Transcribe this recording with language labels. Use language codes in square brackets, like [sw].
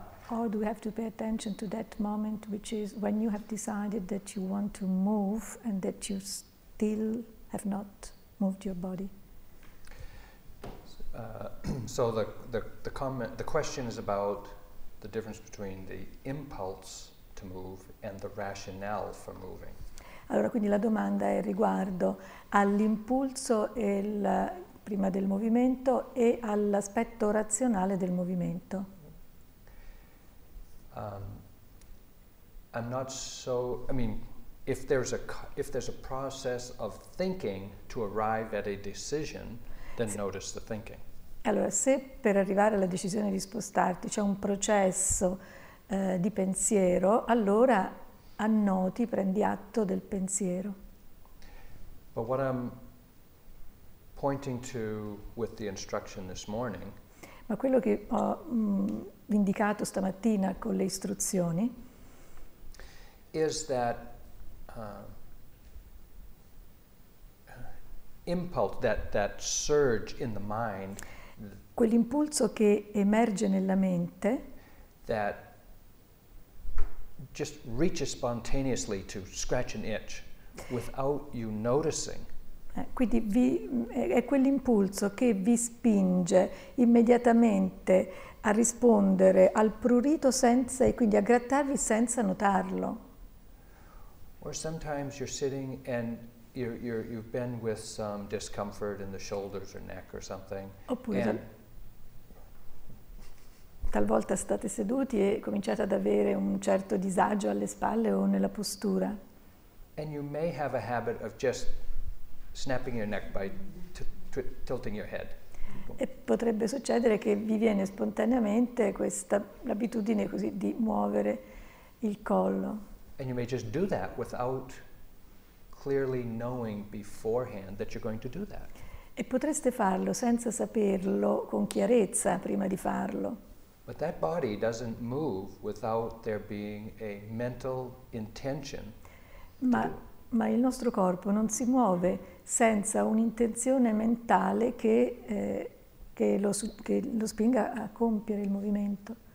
[en] Or do we have to pay attention to that moment, which is when you have decided that you want to move and that you still have not moved your body? So the question is about the difference between the impulse to move and the rationale for moving. [it] Allora, quindi la domanda è riguardo all'impulso prima del movimento e all'aspetto razionale del movimento. [en] I'm not so. I mean, if there's a process of thinking to arrive at a decision, then notice the thinking. [it] Allora, se per arrivare alla decisione di spostarti c'è un processo di pensiero, allora annoti, prendi atto del pensiero. [en] But what I'm pointing to with the instruction this morning. [it] Ma quello che ho indicato stamattina con le istruzioni [en] is that impulse, that surge in the mind, [it] quell'impulso che emerge nella mente, [en] that just reaches spontaneously to scratch an itch without you noticing. [it] Quindi è quell'impulso che vi spinge immediatamente a rispondere al prurito senza, e quindi a grattarvi senza notarlo. [en] Or sometimes you're sitting and you've been with some discomfort in the shoulders or neck or something. [it] Oppure talvolta state seduti e cominciate ad avere un certo disagio alle spalle o nella postura. [en] And you may have a habit of just snapping your neck by tilting your head. [it] E potrebbe succedere che vi viene spontaneamente questa l'abitudine così di muovere il collo. [en] And you may just do that without clearly knowing beforehand that you're going to do that. [it] E potreste farlo senza saperlo con chiarezza prima di farlo. [en] But that body doesn't move without there being a mental intention. [it] Ma il nostro corpo non si muove senza un'intenzione mentale che lo spinga a compiere il movimento.